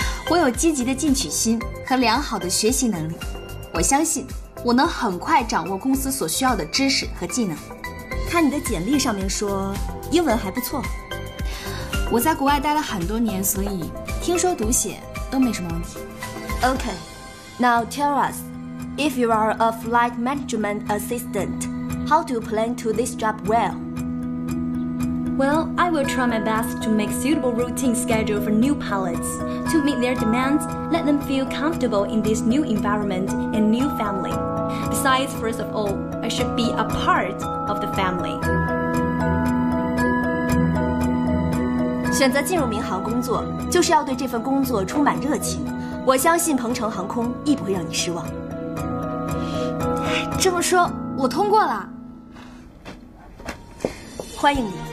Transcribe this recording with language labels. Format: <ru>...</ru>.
<zh>我有积极的进取心和良好的学习能力，我相信我能很快掌握公司所需要的知识和技能。看你的简历上面说英文还不错。我在国外待了很多年，所以听说读写都没什么问题。</zh> <en>OK, now tell us, if you are a flight management assistant, how do you plan to this job well? Well, I will try my best to make suitable routine schedule for new pilots to meet their demands, let them feel comfortable in this new environment and new family. Besides, first of all, I should be a part of the family.</en> <zh>选择进入民航工作，就是要对这份工作充满热情。我相信鹏程航空亦不会让你失望。这么说，我通过了。欢迎你。</zh>